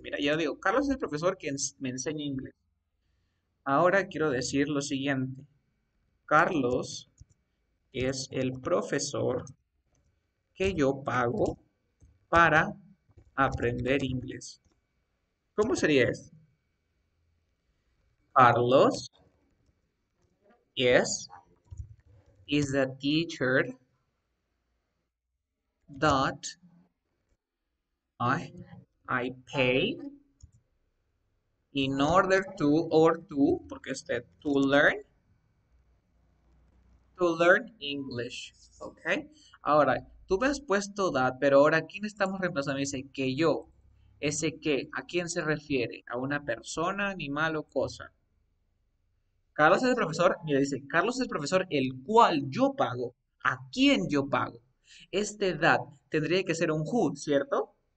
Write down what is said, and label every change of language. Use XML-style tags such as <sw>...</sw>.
<es>Mira, ya digo, Carlos es el profesor que me enseña inglés. Ahora quiero decir lo siguiente. Carlos es el profesor que yo pago para aprender inglés. ¿Cómo sería esto?</es> <en>Carlos is the teacher that I pay in order to or to porque este to learn English, ¿okay?</en> <es>Ahora, tú me has puesto that, pero ahora, ¿a quién estamos reemplazando? Dice que yo, ese que, ¿a quién se refiere? ¿A una persona, animal o cosa? Carlos es el profesor, mira, dice, Carlos es el profesor el cual yo pago, ¿a quién yo pago? Este that tendría que ser un who, ¿cierto?</es>